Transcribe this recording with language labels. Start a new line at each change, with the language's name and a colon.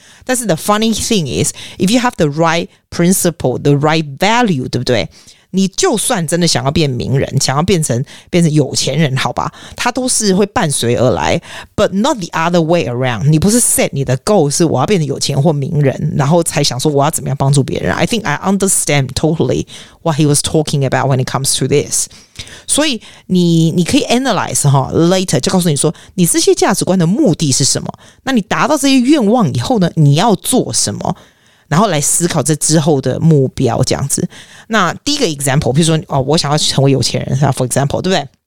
Chinese: 但是
English: the funny thing is, if you have the right principle, the right value,
Chinese: 对不对？你就算真的想要变名人，想要变成有钱人，好吧，它都是会伴随而来，
English: but not the other way around.
Chinese: 你不是 set 你的 goal 是我要变成有钱或名人，然后才想说我要怎么样帮助别人。
English: I think I understand totally what he was talking about when it comes to this.
Chinese: 所以你可以 analyze 哈 later 就告诉你说你这些价值观的目的是什么，那你达到这些愿望以后呢，你要做什么，然后来思考这之后的目标这样子。那第一个 example, 比如说、哦、我想要成为有钱人
English: for example,
Chinese: 对不对？